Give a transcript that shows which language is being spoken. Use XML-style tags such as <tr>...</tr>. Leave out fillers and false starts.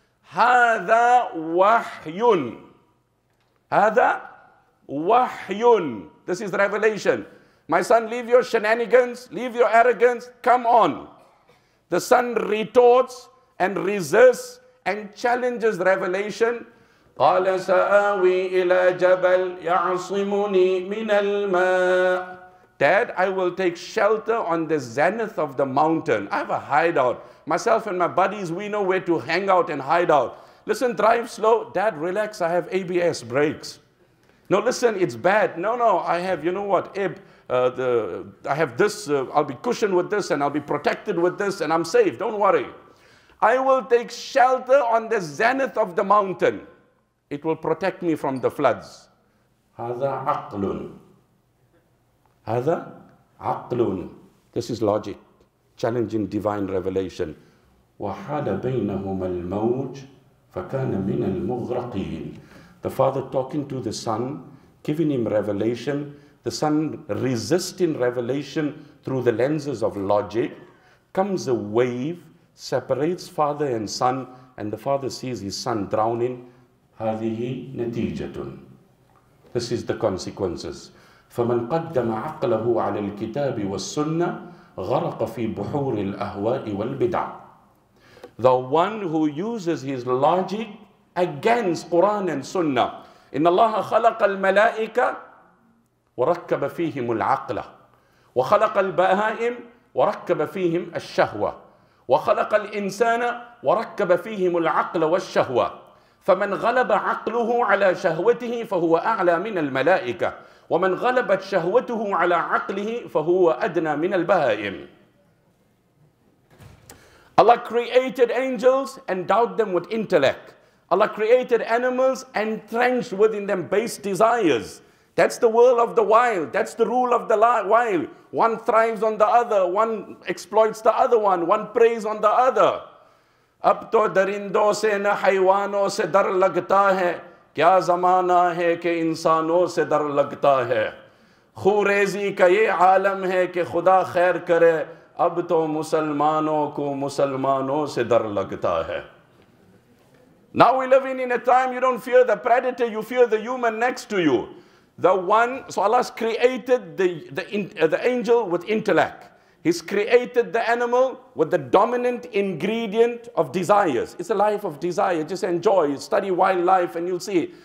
<ar>Hada wahyun. Hada wahyun.</ar> <en>This is revelation. My son, leave your shenanigans, leave your arrogance, come on. The son retorts and resists and challenges revelation.</en> <ar>قال سآوي إلى جبل يعصمني من الماء.</ar> <en>Dad, I will take shelter on the zenith of the mountain. I have a hideout. Myself and my buddies, we know where to hang out and hide out. Listen, drive slow. Dad, relax. I have ABS brakes. No, listen, it's bad. No, I have, you know what, I have this, I'll be cushioned with this and I'll be protected with this and I'm safe. Don't worry. I will take shelter on the zenith of the mountain. It will protect me from the floods.</en> <ar>هذا عقل. هذا عقل.</ar> <en>This is logic, challenging divine revelation.</en> <ar>وحال بينهما الموج فكان من المغرقين.</ar> <en>The father talking to the son, giving him revelation. The son resisting revelation through the lenses of logic. Comes a wave, separates father and son, and the father sees his son drowning.</en> <ar>هذه نتيجة.</ar> <en>This is the consequences.</en> <ar>فمن قدم عقله على الكتاب والسنة غرق في بحور الأهواء والبدع.</ar> <en>The one who uses his logic against Quran and Sunnah.</en> <ar>إن الله خلق الملائكة وركب فيهم العقل وخلق البهائم وركب فيهم الشهوة وخلق الإنسان وركب فيهم العقل والشهوة. فمن غلب عقله على شهوته فهو أعلى من الملائكة ومن غلبت شهوته على عقله فهو أدنى من البهائم.</ar> <en>Allah created angels and endowed them with intellect. Allah created animals and entrenched within them base desires. That's the world of the wild. That's the rule of the wild. One thrives on the other. One exploits the other one. One preys on the other.</en> <ur>اب تو درندوں سے نہ حیوانوں سے در لگتا ہے کیا زمانہ ہے کہ انسانوں سے در لگتا ہے خوریزی کا یہ عالم ہے کہ خدا خیر کرے اب تو مسلمانوں کو مسلمانوں سے در لگتا ہے.</ur> <en>Now we live in a time you don't fear the predator, you fear the human next to you. The one, so Allah's created the angel with intellect. He's created the animal with the dominant ingredient of desires. It's a life of desire. Just enjoy, study wildlife and you'll see.</en>